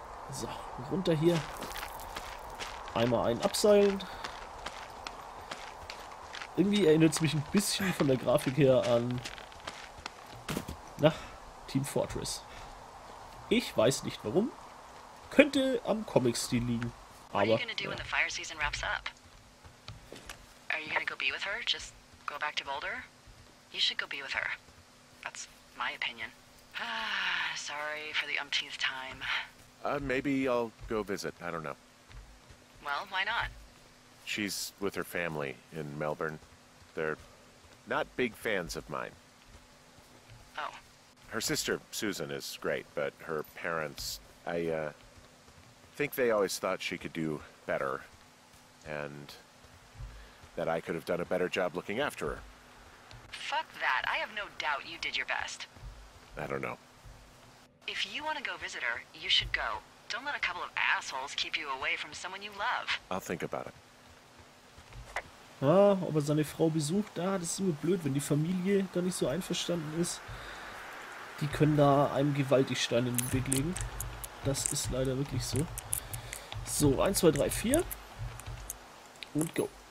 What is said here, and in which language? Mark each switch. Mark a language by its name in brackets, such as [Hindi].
[German] So, runter hier. Einmal ein Abseilen. Irgendwie erinnert es mich ein bisschen von der Grafik her an, na, Team Fortress. Ich weiß nicht warum. Könnte am Comic-Stil liegen. Aber, [English] what are you gonna do when the fire season wraps up? Are you gonna go be with her? Just go back to Boulder? You should go be with her. That's my opinion. Sorry for the umpteenth time. Maybe I'll go visit. I don't know. Well, why not? She's with her family in Melbourne. They're not big fans of mine. Oh. Her sister, Susan, is great, but her parents, I think they always thought she could do better, and that I could have done a better job looking after her. Fuck that. I have no doubt you did your best. I don't know. If you want to go visit her, you should go. Don't let a couple of assholes keep you away from someone you love. I'll think about it. [German] Ah, ob er seine Frau besucht, ah, das ist immer blöd, wenn die Familie da nicht so einverstanden ist. Die können da einem gewaltig Stein in den Weg legen. Das ist leider wirklich so. So, 1, 2, 3, 4. Und go.